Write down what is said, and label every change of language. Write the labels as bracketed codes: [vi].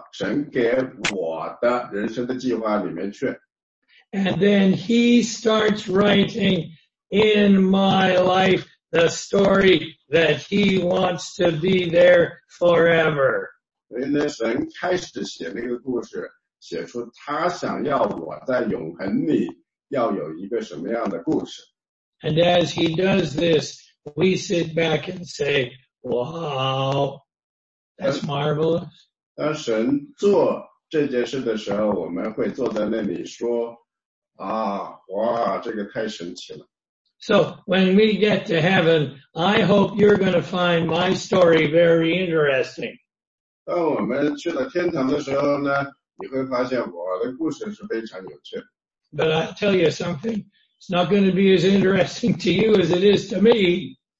[zh] 我把我自己交到神给我的人生的计划里面去。 [en] And then He starts writing in my life the story that He wants to be there forever. [zh] 所以呢，神开始写那个故事，写出他想要我在永恒里。要有一个什么样的故事? [en] And as he does this, we sit back and say, wow, that's marvelous. [zh] 当神做这件事的时候, 我们会坐在那里说, 啊, 哇, 这个太神奇了。So [en] when we get to heaven, I hope you're going to find my story very interesting. [zh] 当我们去了天堂的时候呢, 你会发现我的故事是非常有趣的。 [en] But I'll tell you something, it's not going to be as interesting to you as it is to me.